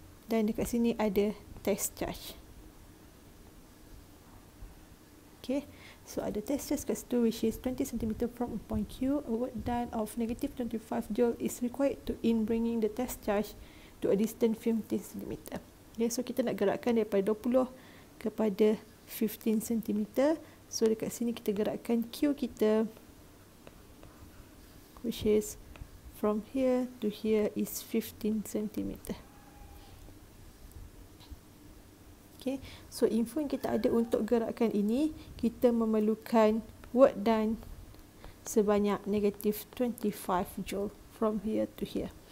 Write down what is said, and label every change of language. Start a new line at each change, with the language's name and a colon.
Malay: Then dekat sini ada test charge.
English: Okay. So at the test charge
Malay: kat situ,
English: which is 20 cm from point Q, a work done of negative 25 joule is required to in bringing the test charge to a distance 15 cm.
Malay: Okay, so kita nak gerakkan daripada 20 kepada 15 cm.
English: So
Malay: dekat sini kita gerakkan Q kita,
English: which is from here to here is 15 cm.
Malay: Okay, so info yang kita ada untuk gerakan ini, kita memerlukan work done sebanyak negative 25 joule
English: from here to here.